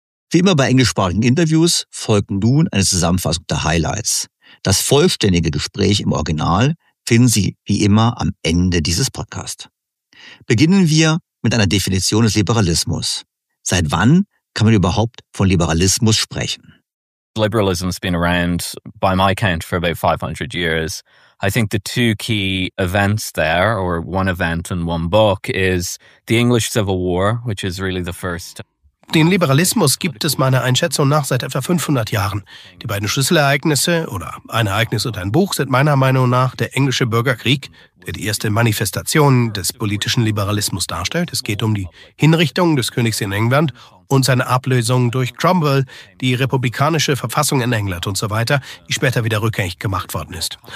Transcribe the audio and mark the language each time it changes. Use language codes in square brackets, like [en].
[de] Wie immer bei englischsprachigen Interviews folgt nun eine Zusammenfassung der Highlights. Das vollständige Gespräch im Original finden Sie wie immer am Ende dieses Podcasts. Beginnen wir mit einer Definition des Liberalismus. Seit wann kann man überhaupt von Liberalismus sprechen? [en] Liberalism has been around, by my count, for about 500 years. I think the two key events there, or one event and one book, is the English Civil War, which is really the first. [de] Den Liberalismus gibt es meiner Einschätzung nach seit etwa 500 Jahren. Die beiden Schlüsselereignisse, oder ein Ereignis und ein Buch, sind meiner Meinung nach der Englische Bürgerkrieg, der die erste Manifestation des politischen Liberalismus darstellt. Es geht um die Hinrichtung des Königs in England und seine Ablösung durch Cromwell, die republikanische Verfassung in England und so weiter, die später wieder rückgängig gemacht worden ist.